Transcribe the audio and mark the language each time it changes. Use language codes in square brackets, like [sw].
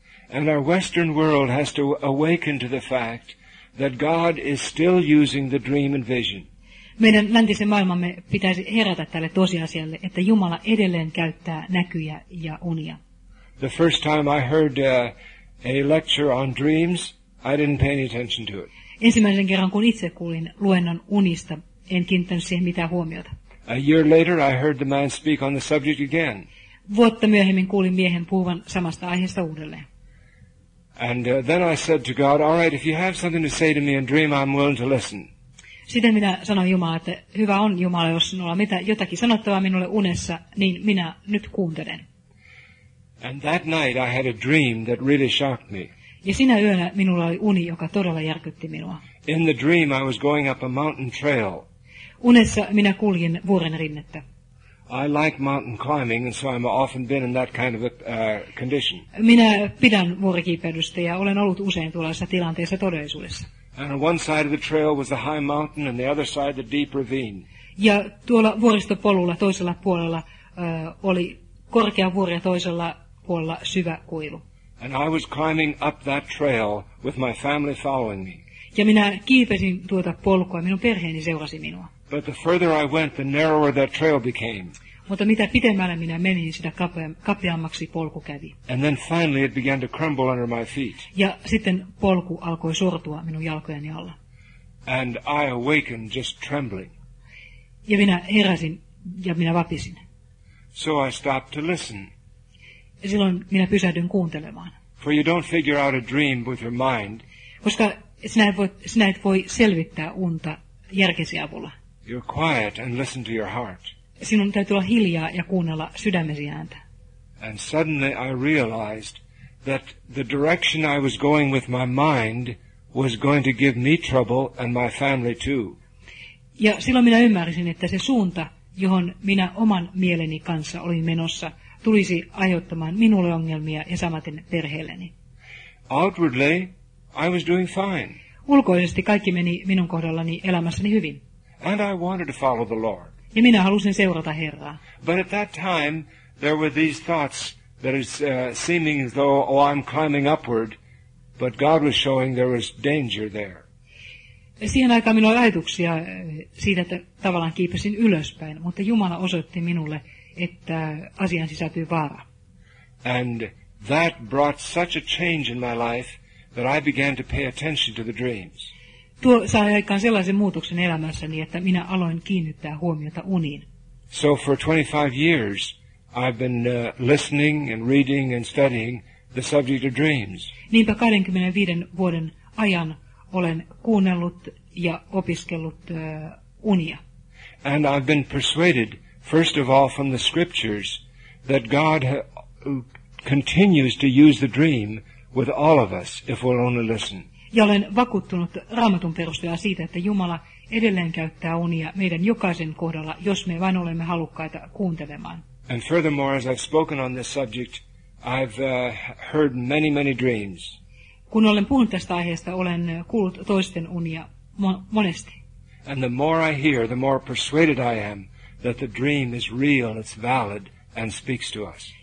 [en] And our Western world has to awaken to the fact that God is still using the dream and vision. [fi] Meidän läntisen maailmamme pitäisi herätä tälle tosiasialle, että Jumala edelleen käyttää näkyjä ja unia. [en] The first time I heard a lecture on dreams, I didn't pay any attention to it. [fi] Ensimmäisen kerran kun itse kuulin luennon unista, en kiinnittänyt siihen mitään huomiota. [en] A year later I heard the man speak on the subject again. [fi] Vuotta myöhemmin kuulin miehen puhuvan samasta aiheesta uudelleen. [en] And then I said to God, all right, if you have something to say to me in dream, I'm willing to listen. [fi] Sitten minä sanoin Jumalalle, että hyvä on Jumala, jos sinulla on jotakin sanottavaa minulle unessa, niin minä nyt kuuntelen. [en] And that night I had a dream that really shocked me. [fi] Ja sinä yönä minulla oli uni, joka todella järkytti minua. [en] In the dream I was going up a mountain trail. [fi] Unessa minä kuljin vuoren rinnettä. [en] I like mountain climbing and so I'm often been in that kind of condition. [fi] Minä pidän vuorikiipeilystä ja olen ollut usein tuollaisessa tilanteessa todellisuudessa. [en] And on one side of the trail was a high mountain and the other side the deep ravine. [fi] Ja tuolla vuoristopolulla toisella puolella oli korkea vuori ja toisella puolella syvä kuilu. [en] And I was climbing up that trail with my family following me. [fi] Ja minä kiipesin tuota polkua, minun perheeni seurasi minua. [en] But the further I went, the narrower that trail became. [fi] Mutta mitä pitemmälle minä menin, sitä kapeammaksi polku kävi. [en] And then finally it began to crumble under my feet. [fi] Ja sitten polku alkoi sortua minun jalkojeni alla. [en] And I awakened just trembling. [fi] Ja minä heräsin ja minä vapisin. [en] So I stopped to listen. [fi] Ja silloin minä pysähdyin kuuntelemaan. [en] For you don't figure out a dream with your mind. [fi] Koska sinä et voi selvittää unta järkesi avulla. [en] You're quiet and listen to your heart. [fi] Sinun täytyy olla hiljaa ja kuunnella sydämesi ääntä. [en] And suddenly I realized that the direction I was going with my mind was going to give me trouble and my family too. [fi] Ja silloin minä ymmärsin, että se suunta, johon minä oman mieleni kanssa olin menossa, tulisi aiheuttamaan minulle ongelmia ja samaten perheelleni. [en] Outwardly, I was doing fine. [fi] Ulkoisesti kaikki meni minun kohdallani elämässäni hyvin. [en] And I wanted to follow the Lord. [fi] Ja minä halusin seurata Herraa. [en] But at that time, there were these thoughts that is seeming as though, oh, I'm climbing upward, but God was showing there was danger there. [fi] Siihen aikaan minulla oli ajatuksia siitä, että tavallaan kiipesin ylöspäin, mutta Jumala osoitti minulle, että asian sisältyy vaara. [en] And that brought such a change in my life that I began to pay attention to the dreams. [fi] Tuo sai aikaan sellaisen muutoksen elämässäni, että minä aloin kiinnittää huomiota uniin. [en] So for 25 years I've been listening and reading and studying the subject of dreams. [fi] Niinpä 25 vuoden ajan olen kuunnellut ja opiskellut unia. [en] And I've been persuaded, first of all, from the scriptures, that God continues to use the dream with all of us if we'll only listen. [fi] Ja olen vakuuttunut Raamatun perusteella siitä, että Jumala edelleen käyttää unia meidän jokaisen kohdalla, jos me vain olemme halukkaita kuuntelemaan. [en] And furthermore, as I've spoken on this subject, I've heard many, many dreams. [fi] Kun olen puhunut tästä aiheesta, olen kuullut toisten unia monesti. [en] And the more I hear, the more persuaded I am that the dream is real, it's valid, and speaks to us.